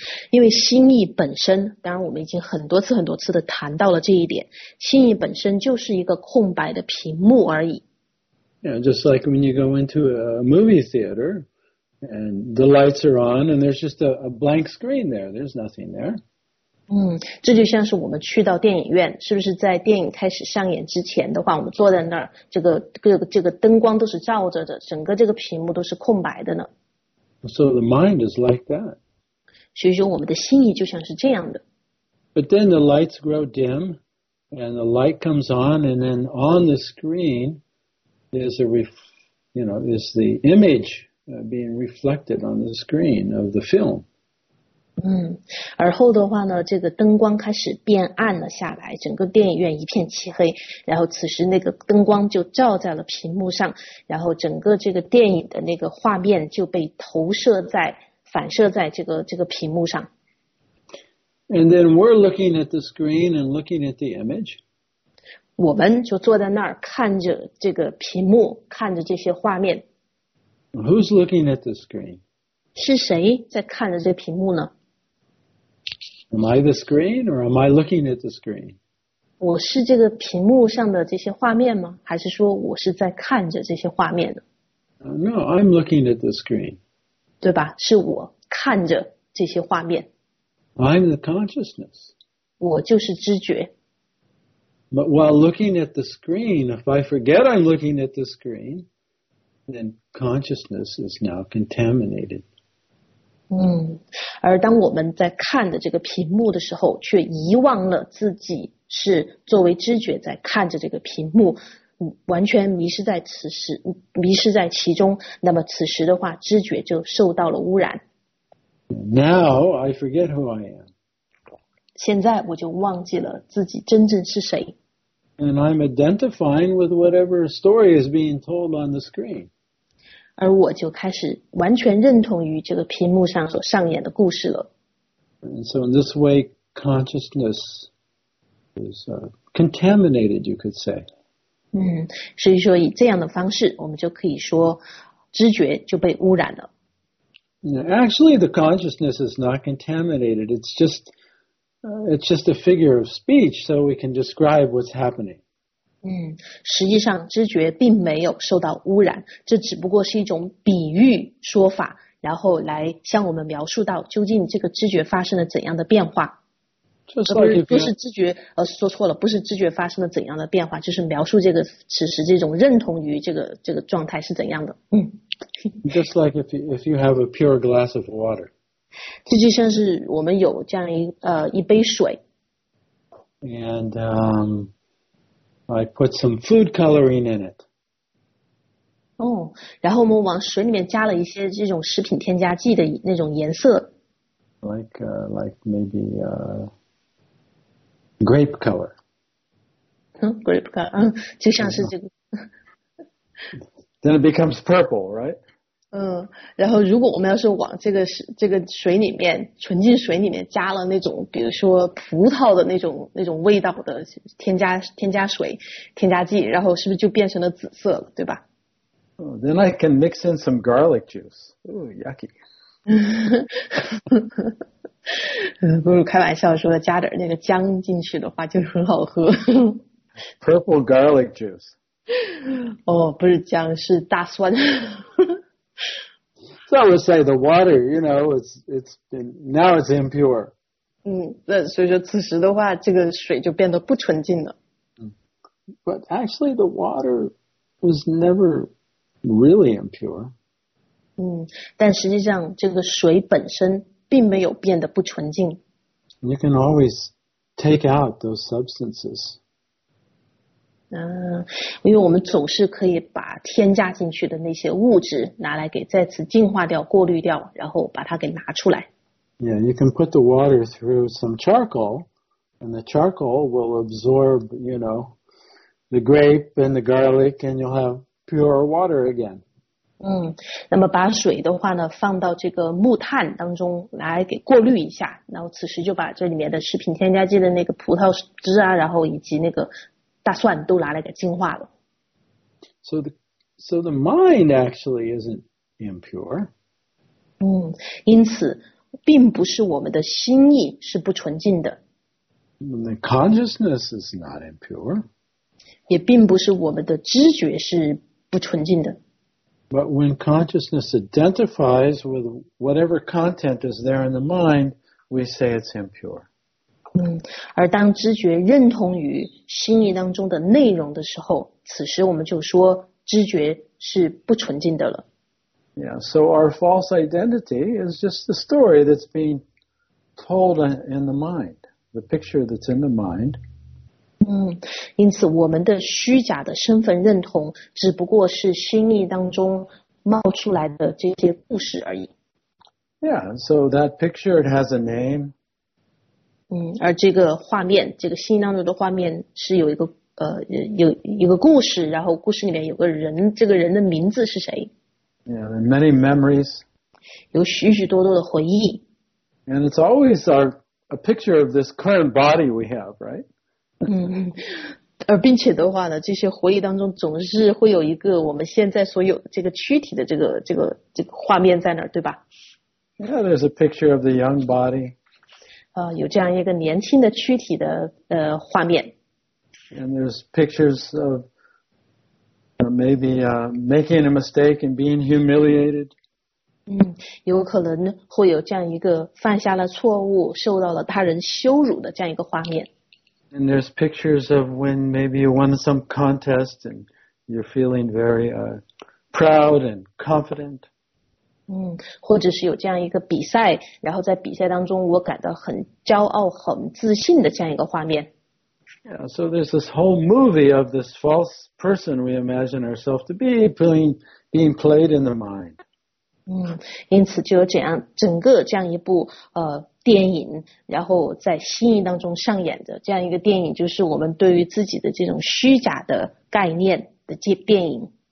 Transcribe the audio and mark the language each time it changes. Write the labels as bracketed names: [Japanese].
[Chinese] 因为心意本身，当然我们已经很多次很多次的谈到了这一点，心意本身就是一个空白的屏幕而已。 [English] Yeah, just like when you go into a movie theater and the lights are on and there's just a blank screen there. There's nothing there. [Chinese] 这就像是我们去到电影院，是不是在电影开始上演之前的话，我们坐在那儿，这个灯光都是照着的，整个这个屏幕都是空白的呢。 [English] So the mind is like that. [Chinese] 所以说我们的心意就像是这样的。 [English] But then the lights grow dim and the light comes on and then on the screen,is the image being reflected on the screen of the film. [Chinese] 而后的话呢，这个灯光开始变暗了下来，整个电影院一片漆黑，然后此时那个灯光就照在了屏幕上，然后整个这个电影的那个画面就被投射在，反射在这个屏幕上。 [English] And then we're looking at the screen and looking at the image. [Chinese] 我们就坐在那儿看着这个屏幕，看着这些画面。 [English] Who's looking at the screen? [Chinese] 是谁在看着这屏幕呢？ [English] Am I the screen or am I looking at the screen? [Chinese] 我是这个屏幕上的这些画面吗？还是说我是在看着这些画面呢？ [English] No, I'm looking at the screen. [Chinese] 对吧？是我看着这些画面。 [English] I'm the consciousness. [Chinese] 我就是知觉。 [English] But while looking at the screen, if I forget I'm looking at the screen, then consciousness is now contaminated. [Chinese] 而当我们在看着这个屏幕的时候，却遗忘了自己是作为知觉在看着这个屏幕，完全迷失在其中，那么此时的话，知觉就受到了污染。 [English] Now I forget who I am. [Chinese] 现在我就忘记了自己真正是谁。 [English] And I'm identifying with whatever story is being told on the screen. [Chinese] 而我就开始完全认同于这个屏幕上所上演的故事了。 [English] And so in this way, consciousness is contaminated, you could say. [Chinese] 所以说以这样的方式，我们就可以说知觉就被污染了。 [English] Actually, the consciousness is not contaminated. It's just a figure of speech, so we can describe what's happening. [Chinese] 实际上知觉并没有受到污染，这只不过是一种比喻说法，然后来向我们描述到究竟这个知觉发生了怎样的变化。不是知觉发生了怎样的变化，就是描述这个此时这种认同于这个状态是怎样的。 [English] Just like if you have a pure glass of water. [Chinese] 这就像是我们有这样一杯水。 [English] And I put some food coloring in it. [Chinese] 然后我们往水里面加了一些这种食品添加剂的那种颜色。 [English] Like maybe grape color. Grape color, [Chinese] 就像是这个。 [English] Then it becomes purple, right? [Chinese] 然后如果我们要是往这个水里面纯净水里面加了那种比如说葡萄的那种味道的添加剂，然后是不是就变成了紫色了，对吧？ [English] Then I can mix in some garlic juice. Ooh, yucky. [Chinese] 不如开玩笑说加点那个姜进去的话就很好喝。 [English] Purple garlic juice. [Chinese] 不是姜，是大蒜。 [English] So I would say the water, you know, it's been, now it's impure. [Chinese] 所以说此时的话，这个水就变得不纯净了。 [English] But actually, the water was never really impure. [Chinese] 但实际上这个水本身并没有变得不纯净。 [English] You can always take out those substances. [Chinese] 因为我们总是可以把添加进去的那些物质拿来给再次净化掉、过滤掉，然后把它给拿出来。 [English] Yeah, you can put the water through some charcoal, and the charcoal will absorb, you know, the grape and the garlic, and you'll have pure water again. [Chinese] 那么把水的话呢，放到这个木炭当中来给过滤一下，然后此时就把这里面的食品添加剂的那个葡萄汁啊，然后以及那个大蒜都拿来给净化了。 [English] So the mind actually isn't impure. [Chinese] 因此并不是我们的心意是不纯净的。 [English] The consciousness is not impure. [Chinese] 也并不是我们的知觉是不纯净的。 [English] But when consciousness identifies with whatever content is there in the mind, we say it's impure. [Chinese] 而当知觉认同于心意当中的内容的时候，此时我们就说知觉是不纯净的了。 [English] Yeah, so our false identity is just the story that's being told in the mind, the picture that's in the mind. [Chinese] 因此我们的虚假的身份认同只不过是心意当中冒出来的这些故事而已。 [English] Yeah, so that picture has a name. [Chinese] 而这个画面，这个心意当中的画面是有一个有个故事，然后故事里面有个人，这个人的名字是谁？ [English] Yeah, and many memories. [Chinese] 有许许多多的回忆。 [English] And it's always a picture of this current body we have, right? [Chinese] 而并且的话呢，这些回忆当中总是会有一个我们现在所有这个躯体的这个画面在那儿，对吧 [English] ？Yeah, there's a picture of the young body. [Chinese] 有这样一个年轻的躯体的画面。 [English] And there's pictures of maybe making a mistake and being humiliated. [Chinese] 有可能会有这样一个犯下了错误，受到了他人羞辱的这样一个画面。 [English] And there's pictures of when maybe you won some contest and you're feeling very proud and confident. [Chinese] 或者是有这样一个比赛，然后在比赛当中我感到很骄傲、很自信的这样一个画面。 [English] Yeah, so there's this whole movie of this false person we imagine ourselves to be being played in the mind. [Chinese] 因此就有这样整个这样一部电影，然后在心意当中上演着这样一个电影，就是我们对于自己的这种虚假的概念的电影。